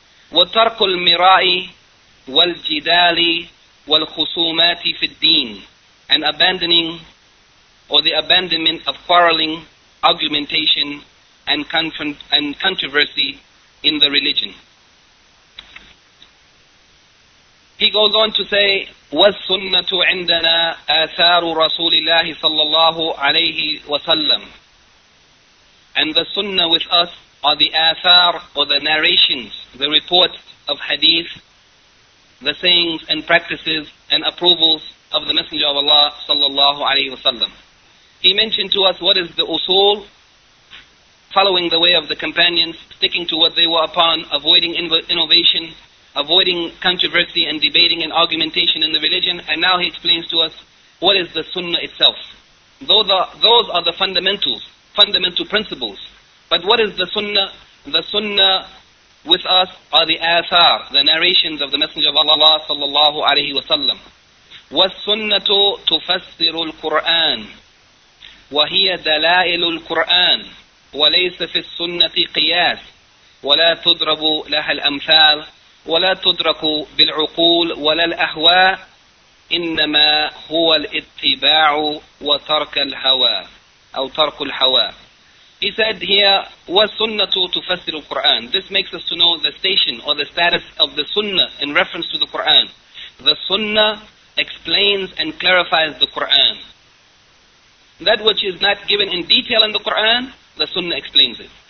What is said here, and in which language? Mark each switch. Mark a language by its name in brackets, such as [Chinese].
[Arabic] وَتَرْكُ الْمِرَاءِ وَالْجِدَالِ وَالْخُصُومَاتِ فِي الدِّينِ. [English] And abandoning, or the abandonment of quarreling, argumentation, and controversy in the religion. He goes on to say, [Arabic] وَالسُنَّةُ عِنْدَنَا آثَارُ رَسُولِ اللَّهِ صَلَّى اللَّهُ عَلَيْهِ وَسَلَّمُ. [English] And the sunnah with us are the athar, or the narrations, the reports of hadith, the sayings and practices and approvals of the Messenger of Allah [Arabic] صلى الله عليه وسلم. [English] He mentioned to us what is the usul, following the way of the companions, sticking to what they were upon, avoiding innovation, avoiding controversy and debating and argumentation in the religion, and now he explains to us what is the sunnah itself. Those are the fundamentals, fundamental principles. But what is the sunnah? The sunnah with us are the athar, the narrations of the Messenger of Allah sallallahu alayhi wa sallam. [Arabic] وَالسُنَّةُ تُفَسِّرُ الْقُرْآنِ وهي دلائل القرآن وليس في السنة قياس ولا تضرب لها الأمثال ولا تدرك بالعقول ولا الأهواء إنما هو الاتباع وترك الهوى أو ترك الهوى. [English] He said here, [Arabic] والسنة تفسر القرآن. [English] This makes us to know the station or the status of the Sunnah in reference to the Quran. The Sunnah explains and clarifies the Quran. That which is not given in detail in the Qur'an, the Sunnah explains it.